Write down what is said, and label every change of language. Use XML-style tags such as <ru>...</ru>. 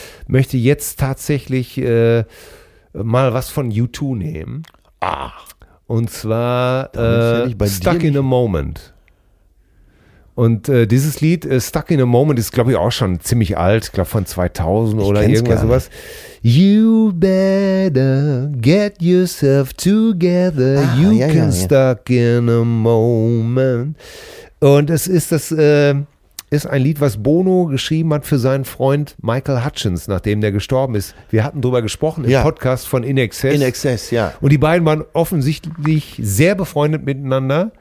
<de>Möchte jetzt tatsächlich mal was von U2 nehmen. Ach. Und zwar Stuck in a Moment. Und dieses Lied, Stuck in a Moment, ist, glaube ich, auch schon ziemlich alt. Ich glaube, von 2000 oder irgendwas sowas.</de> <en>You better get yourself together. Ah, you</en> <de>ja,</de> <en>can</en> <de>ja,</de> <en>stuck</en> <de>ja.</de> <en>in a moment.</en> <de>Und es ist ist ein Lied, was Bono geschrieben hat für seinen Freund Michael Hutchins, nachdem der gestorben ist. Wir hatten drüber gesprochen im Podcast von In Excess. In Excess, ja. Und die beiden waren offensichtlich sehr befreundet miteinander.</de>